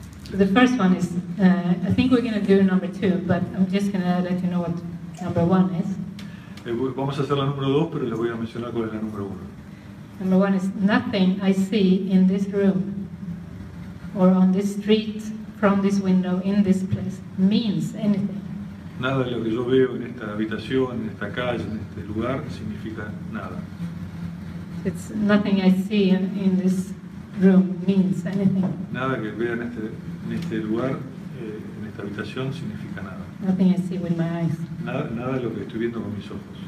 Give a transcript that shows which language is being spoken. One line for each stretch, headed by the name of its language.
English: The first one is, I think we're going to do number two, but I'm just going to let you know what number one is.
Spanish: Vamos a hacer la número dos, pero les voy a mencionar cuál es la número uno.
English: Number one is nothing I see in this room or on this street from this window in this place means anything.
Spanish: Nada de lo que yo veo en esta habitación, en esta calle, en este lugar significa nada.
English: It's nothing I see in this room means anything.
Spanish: Nada que vea en este lugar, en esta habitación significa nada.
English: Nothing I see with my eyes.
Spanish: Nada de lo que estoy viendo con mis ojos.